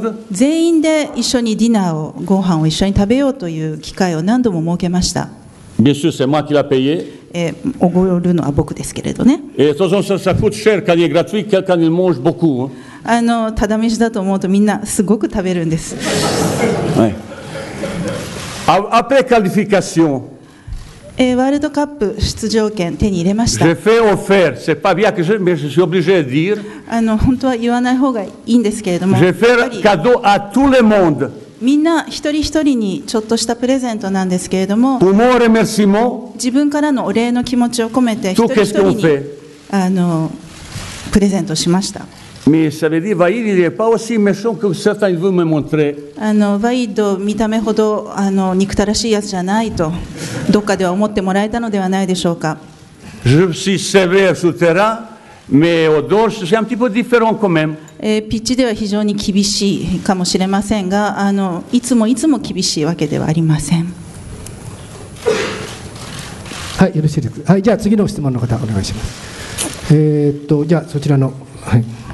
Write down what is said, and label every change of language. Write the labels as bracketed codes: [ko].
[ja] 全員で一緒にディナーをご飯を一緒に食べようという機会を何度も設けました。 [fr] Bien sûr, c'est moi qui l'a payé. [ja] おごるのは僕ですけれどね。 [fr] ça coûte cher, quand il est gratuit, quelqu'un il mange beaucoup. [ja] ただ飯だと思うとみんなすごく食べるんです。 [fr] Après qualification. [ja] ワールドカップ出場権手に入れました。 [fr] J'ai fait offert, c'est pas bien que je, mais je suis obligé de dire. [ja] 本当は言わない方がいいんですけれども。 [fr] J'ai fait cadeau à tout le monde. [ja] みんな一人一人にちょっとしたプレゼントなんですけれども。 [fr] Pour mon remerciement. [ja] 自分からのお礼の気持ちを込めて一人一人に。 [fr] Tout qu'est-ce qu'on fait? [ja] プレゼントしました。 [fr] Mais ça veut dire, Vaïd, il n'est pas aussi méchant que certains de vous me montrer. [ja] Vaïd, 見た目ほど憎たらしいやつじゃないと、どっかでは思ってもらえたのではないでしょうか。 [fr] Je suis sévère sur le terrain, mais au dehors, c'est un petit peu différent quand même. [ja] ピッチでは非常に厳しいかもしれませんが、いつもいつも厳しいわけではありません。はい、よろしいです。はい、じゃあ次の質問の方お願いします。じゃあそちらの、はい。